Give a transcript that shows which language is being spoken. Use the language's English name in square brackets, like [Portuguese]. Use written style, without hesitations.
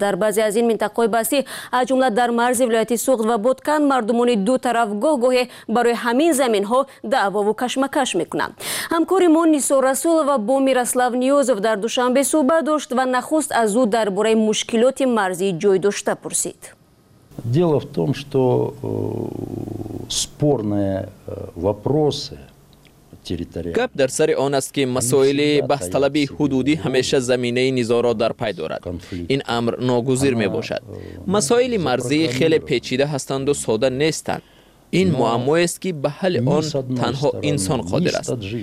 [Tajik] Дар баъзе аз ин минтақаҳои баҳсӣ, аз ҷумла дар марзи вилояти Суғд ва Боткан, мардумони ду тараф гоҳ-гоҳе барои ҳамин заминҳо даъвову кашмакаш мекунанд. Ҳамкори мо Нисо Расулова бо Мирослав Ниёзов дар Душанбе сӯҳбат дошт ва нахуст аз ӯ дар бораи мушкилоти марзии ҷойдошта пурсид. [Russian] Дело в том, что спорные вопросы территориальные. [Tajik] Гап дар сари он аст, ки масоили баҳсталаби ҳудудӣ ҳамеша заминаи низоро дар пай дорад. Ин амр ногузир мебошад. Масоили марзӣ хеле печида ҳастанду сода нестанд. Ин муаммоест, ки ба ҳалли он танҳо инсон қодир аст.